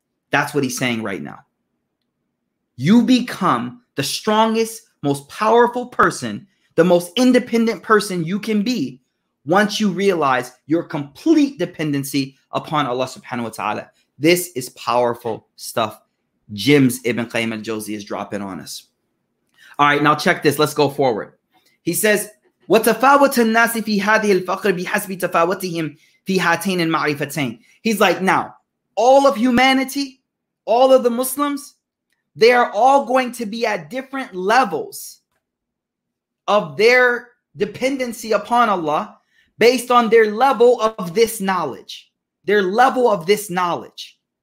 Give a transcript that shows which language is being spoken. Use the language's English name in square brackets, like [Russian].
[English] That's what he's saying right now. You become the strongest, most powerful person, the most independent person you can be once you realize your complete dependency upon Allah subhanahu wa ta'ala. This is powerful stuff. Jim's Ibn Qayyim al-Jawziyyah is dropping on us. All right, now check this. Let's go forward. He says, [Arabic] وَتَفَاوَتَ النَّاسِ فِي هَذِهِ الْفَقْرِ بِحَسْبِ تَفَاوَتِهِمْ فِي هَاتَيْنِ الْمَعْرِفَتَيْنِ. [English] He's like, now, all of humanity, all of the Muslims, they are all going to be at different levels of their dependency upon Allah based on their level of this knowledge, their level of this knowledge.